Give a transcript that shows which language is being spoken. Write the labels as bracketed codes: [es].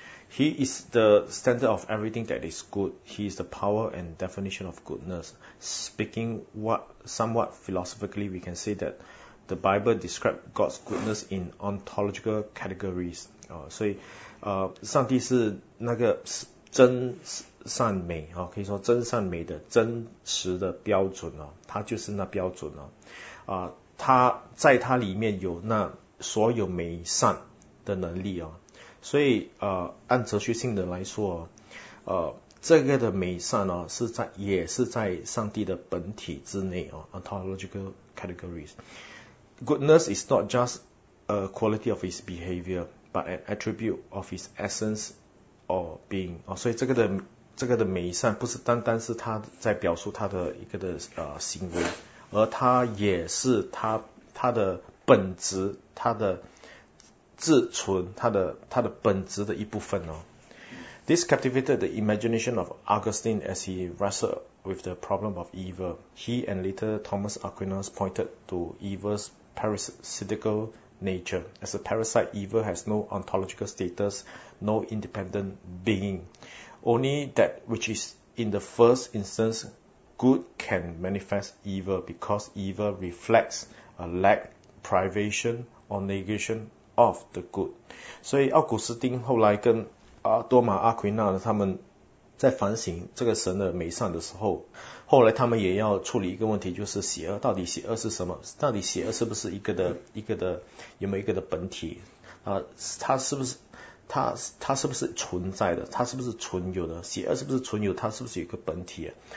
[en] He is the standard of everything that is good. He is the power and definition of goodness. Speaking somewhat philosophically, we can say that the Bible describes God's goodness in ontological categories. [zh] 所以上帝是那个真善美，可以说真善美的真实的标准，他就是那标准。他在他里面有那所有美善的能力。所以按哲学性的来说，这个的美善也是在上帝的本体之内哦 , [en] ontological categories. Goodness is not just a quality of his behavior, but an attribute of his essence or being. [zh] 所以这个的美善不是单单是他在表述他的一个的行为，而他也是他的本质，他的自存，它的本质的一部分哦。 [en] This captivated the imagination of Augustine as he wrestled with the problem of evil. He and later Thomas Aquinas pointed to evil's parasitical nature. As a parasite, evil has no ontological status, no independent being. Only that which is in the first instance good can manifest evil, because evil reflects a lack, privation, or negation. Of the good. [zh] 所以奥古斯丁后来跟多马阿奎纳他们在反省这个神的美善的时候，后来他们也要处理一个问题，就是邪恶，到底邪恶是什么，到底邪恶是不是一个的有没有一个的本体，它是不是存在的，它是不是存有的，邪恶是不是存有，它是不是有一个本体啊。